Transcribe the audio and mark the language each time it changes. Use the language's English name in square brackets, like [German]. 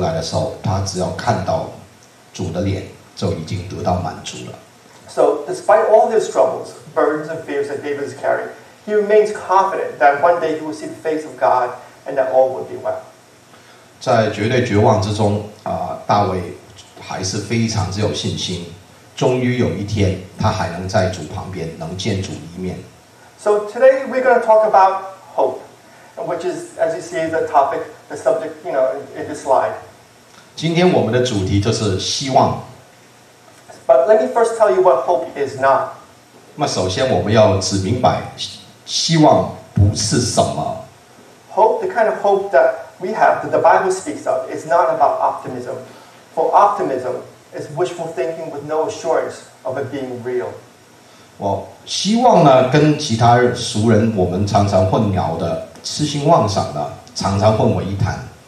[Chinese] 在第15节，这是精粹所在。他在绝望的时候求主，主能够帮他对付这一切。在正义面前，主跟他在一起。然后在他醒过来的时候，他只要看到 主的脸就已经得到满足了。 [English] So despite all his troubles, burdens, and fears that David is carrying, he remains confident that one day he will see the face of God and that all will be well. [Chinese] 在绝对绝望之中，大卫还是非常之有信心，终于有一天他还能在主旁边能见主一面。 [English] So today we're going to talk about hope, which is, as you see, the topic, the subject, you know, in this slide. [Chinese] 今天我们的主题就是希望。 [English] But let me first tell you what hope is not. [Chinese] 么首先我们要指明白，希望不是什么。 [English] Hope, the kind of hope that we have, that the Bible speaks of, is not about optimism. For optimism is wishful thinking with no assurance of it being real. [Chinese] 我希望呢，跟其他俗人我们常常混淆的痴心妄想的常常混为一谈。